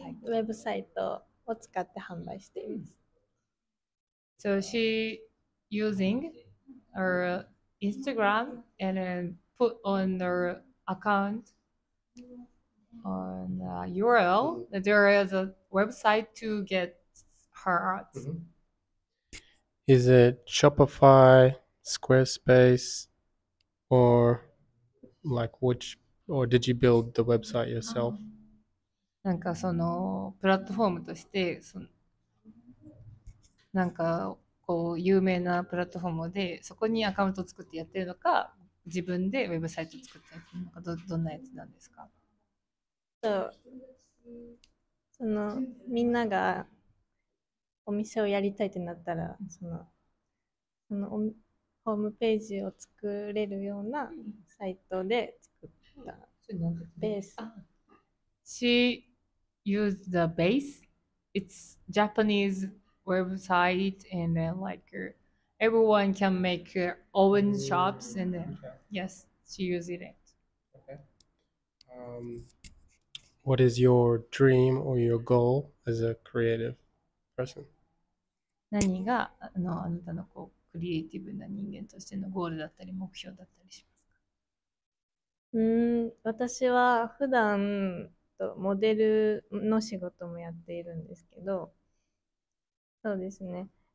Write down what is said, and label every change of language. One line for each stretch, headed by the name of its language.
Japanese: ウェブサイトを使って販売しています。
English: So she using her Instagram and then put on their account on URL that there is a website to get her art. Is it Shopify, Squarespace, or like which, or did you build the website yourself?
Japanese: なんかそのプラットフォームとして、そのなんかこう有名なプラットフォームでそこにアカウントを作ってやってるのか、自分でウェブサイトを作ってやってるのか、どんなやつなんですか？そのみんながお店をやりたいってなったら、そのおホームページを作れるようなサイトで作ったベース。
English: She used the base. It's Japanese website and then like everyone can make own shops and then, yes, she used it. Okay. What is your dream or your goal as a creative person?
Japanese: 何が あなたのこうクリエイティブな人間としてのゴールだったり目標だったりしますか？私は普段とモデルの仕事もやっているんですけど、そうですね。